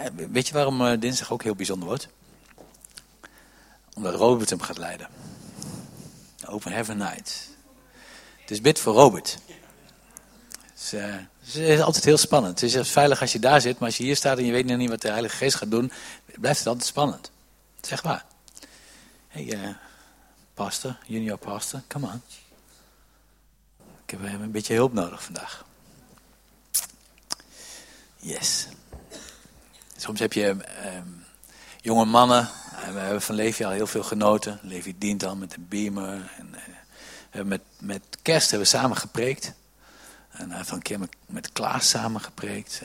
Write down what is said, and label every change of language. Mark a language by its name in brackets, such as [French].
[Dutch] Weet je waarom dinsdag ook heel bijzonder wordt? Omdat Robert hem gaat leiden. Open Heaven Night. Dus bid voor Robert. Het is altijd heel spannend. Het is veilig als je daar zit, maar als je hier staat en je weet nog niet wat de Heilige Geest gaat doen, blijft het altijd spannend. Zeg maar. [English] Hey, pastor, junior pastor, come on. [Dutch] Ik heb een beetje hulp nodig vandaag. Yes. Soms heb je jonge mannen. We hebben van Levi al heel veel genoten. Levi dient al met de Beamer. En, met kerst hebben we samen gepreekt. En hij heeft al een keer met Klaas samen gepreekt.